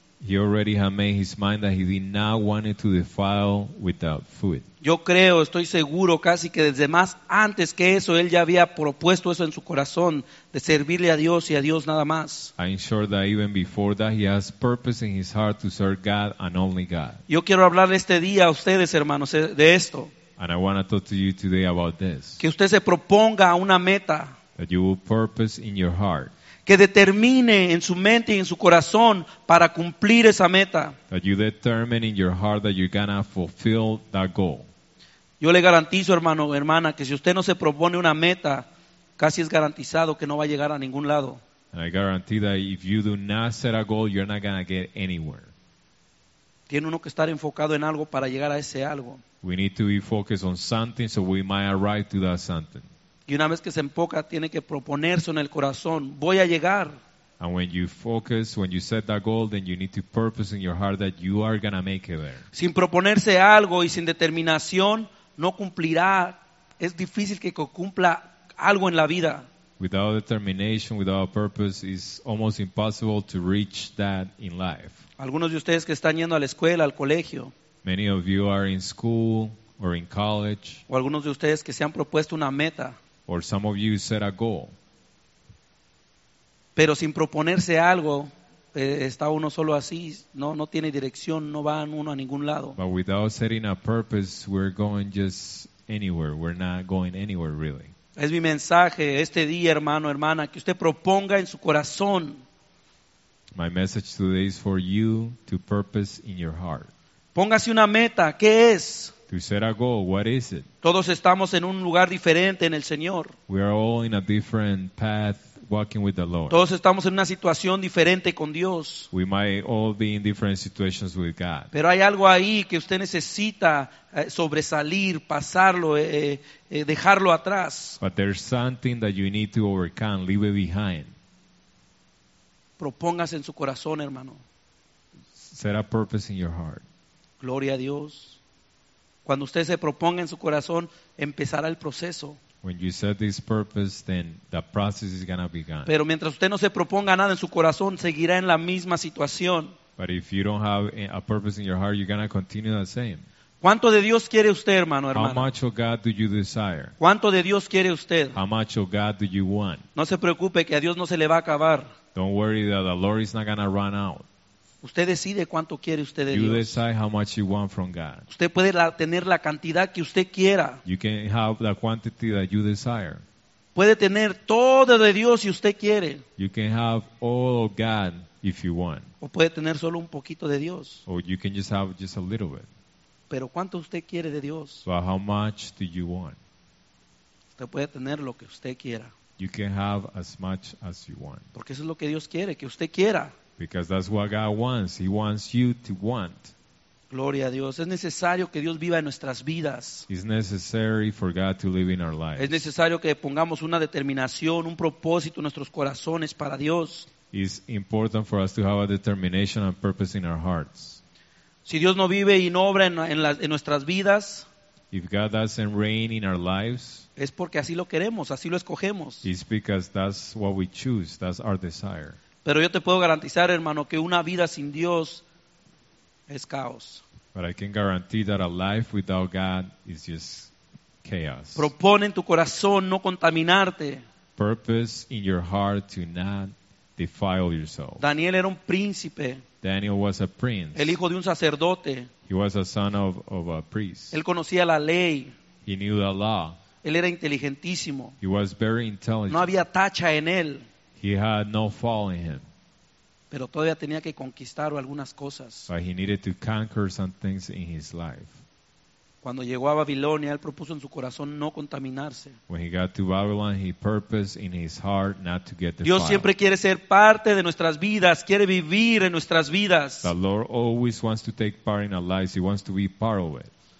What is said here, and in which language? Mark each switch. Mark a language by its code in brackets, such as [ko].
[en] He already had made his mind that he did not want to defile with the food. [es] Yo creo, estoy seguro, casi que desde más antes que eso, él ya había propuesto eso en su corazón, de servirle a Dios y a Dios nada más. [en] I'm sure that even before that, he has purpose in his heart to serve God and only God. [es] Yo quiero hablar este día a ustedes, hermanos, de esto. [en] And I want to talk to you today about this. [es] Que usted se proponga una meta. [en] That you will purpose in your heart. [es] Que determine en su mente y en su corazón para cumplir esa meta. [en] That you determine in your heart that you're gonna fulfill that goal. [es] Yo le garantizo, hermano, hermana, que si usted no se propone una meta, casi es garantizado que no va a llegar a ningún lado. [en] And I guarantee that if you do not set a goal, you're not gonna get anywhere. [es] Tiene uno que estar enfocado en algo para llegar a ese algo. [en] We need to be focused on something so we might arrive to that something. [es] Y una vez que se enfoca, tiene que proponerse en el corazón. Voy a llegar. [en] And when you focus, when you set that goal, then you need to purpose in your heart that you are going to make it there. [es] Sin proponerse algo y sin determinación, no cumplirá. Es difícil que cumpla algo en la vida. [en] Without determination, without purpose, it's almost impossible to reach that in life. [es] Algunos de ustedes que están yendo a la escuela, al colegio. [en] Many of you are in school or in college. [es] O algunos de ustedes que se han propuesto una meta. [en] Or some of you set a goal. [es] Pero sin proponerse algo, está uno solo así, no tiene dirección, no va uno a ningún lado. [en] But without setting a purpose, we're going just anywhere. We're not going anywhere really. [es] Es mi mensaje este día, hermano, hermana, que usted proponga en su corazón. [en] My message today is for you to purpose in your heart. [es] Póngase una meta, ¿qué es? [en] To set a goal, what is it? [es] Todos estamos en un lugar diferente en el Señor. [en] We are all in a different path walking with the Lord. [es] Todos estamos en una situación diferente con Dios. [en] We might all be in different situations with God. [es] Pero hay algo ahí que usted necesita sobresalir, pasarlo, dejarlo atrás. [en] But there's something that you need to overcome, leave it behind. [es] Propóngase en su corazón, hermano. [en] Set a purpose in your heart. [es] Gloria a Dios. Cuando usted se proponga en su corazón, empezará el proceso. [en] When you set this purpose, then the process is gonna begin. [es] Pero mientras usted no se proponga nada en su corazón, seguirá en la misma situación. [en] But if you don't have a purpose in your heart, you're gonna continue the same. [es] ¿Cuánto de Dios quiere usted, hermano, hermana? [en] How much of God do you desire? [es] ¿Cuánto de Dios quiere usted? [en] How much of God do you want? [es] No se preocupe que a Dios no se le va a acabar. [en] Don't worry that the Lord is not gonna run out. [es] Usted decide cuánto quiere usted de Dios. [en] You decide how much you want from God. [es] Usted puede tener la cantidad que usted quiera. [en] You can have the quantity that you desire. [es] Puede tener todo de Dios si usted quiere. [en] You can have all of God if you want. [es] O puede tener solo un poquito de Dios. [en] Or you can just have just a little bit. [es] Pero cuánto usted quiere de Dios. [en] So how much do you want? [es] Usted puede tener lo que usted quiera. [en] You can have as much as you want. [es] Porque eso es lo que Dios quiere, que usted quiera. [en] Because that's what God wants. He wants you to want. [es] Gloria a Dios. Es necesario que Dios viva en nuestras vidas. [en] It's necessary for God to live in our lives. [es] Es necesario que pongamos una determinación, un propósito en nuestros corazones para Dios. [en] It's important for us to have a determination and purpose in our hearts. [es] Si Dios no vive y no obra en nuestras vidas, [en] if God doesn't reign in our lives, [es] es porque así lo queremos, así lo escogemos. [en] It's because that's what we choose. That's our desire. [es] Pero yo te puedo garantizar, hermano, que una vida sin Dios es caos. [en] But I can guarantee that a life without God is just chaos. [es] Propone en tu corazón no contaminarte. [en] Purpose in your heart to not defile yourself. [es] Daniel era un príncipe. [en] Daniel was a prince. [es] El hijo de un sacerdote. [en] He was a son of a priest. [es] Él conocía la ley. [en] He knew the law. [es] Él era inteligentísimo. [en] He was very intelligent. [es] No había tacha en él. [en] He had no fall in him. [es] Pero todavía tenía que conquistar algunas cosas. [en] But he needed to conquer some things in his life. [es] Cuando llegó a Babilonia, él propuso en su corazón no contaminarse. [en] When he got to Babylon, he purposed in his heart not to get defiled. [es] Dios siempre quiere ser parte de nuestras vidas, quiere vivir en nuestras vidas. [en] The Lord always wants to take part in our lives. He wants to be part of it.